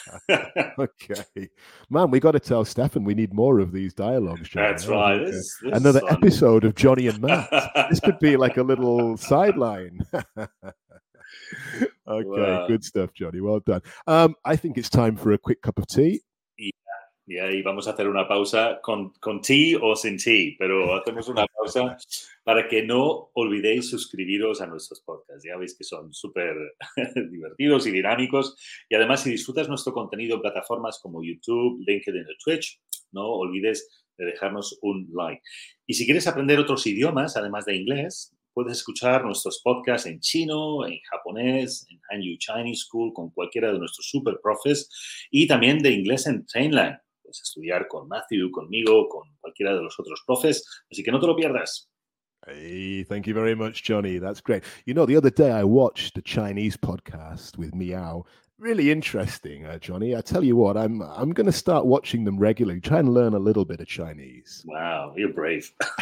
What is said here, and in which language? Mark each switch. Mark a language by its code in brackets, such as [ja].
[en] Okay. Man, we got to tell Stefan we need more of these dialogues, John. That's right. Okay. Another episode of Johnny and Matt. This could be like a little sideline. Okay, well, good stuff, Johnny. Well done. I think it's time for a quick cup of tea. [es] Yeah, y vamos a hacer una pausa con tea o sin tea, pero hacemos una pausa para que no olvidéis suscribiros a nuestros podcasts. Ya veis que son súper divertidos y dinámicos. Y además, si disfrutas nuestro contenido en plataformas como YouTube, LinkedIn o Twitch, no olvides de dejarnos un like. Y si quieres aprender otros idiomas, además de inglés, puedes escuchar nuestros podcasts en chino, en japonés, en Hanyu Chinese School, con cualquiera de nuestros super profes, y también de inglés en Trainline. Puedes estudiar con Matthew, conmigo, con cualquiera de los otros profes, así que no te lo pierdas. [en] Hey, thank you very much, Johnny. That's great. You know, the other day I watched the Chinese podcast with Miao. Really interesting, Johnny. I tell you what, I'm going to start watching them regularly, try and learn a little bit of Chinese. Wow, you're brave.